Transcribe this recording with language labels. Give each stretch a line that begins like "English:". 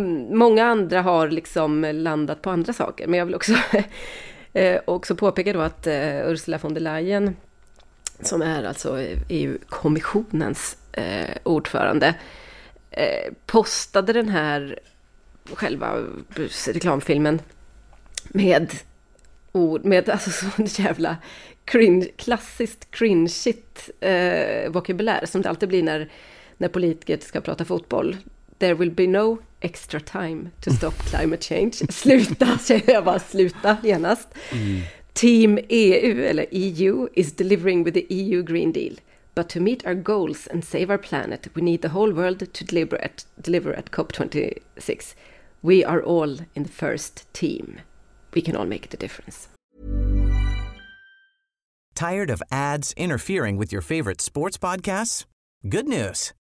Swedish: Många andra har liksom landat på andra saker, men jag vill också, också påpeka då att Ursula von der Leyen, som är alltså EU-kommissionens ordförande, postade den här själva reklamfilmen med ord, med alltså sån jävla cringe, klassiskt cringe-igt vokabulär, som det alltid blir när politiker ska prata fotboll.
English: There will be no extra time to stop climate change.
Swedish: Sluta, säger jag bara, sluta genast.
English: Team EU,
Swedish: eller EU,
English: is delivering with the EU Green Deal. But to meet our goals and save our planet, we need the whole world to deliver at COP26. We are all in the first team. We can all make the difference. Tired of ads interfering with your favorite sports podcasts? Good news.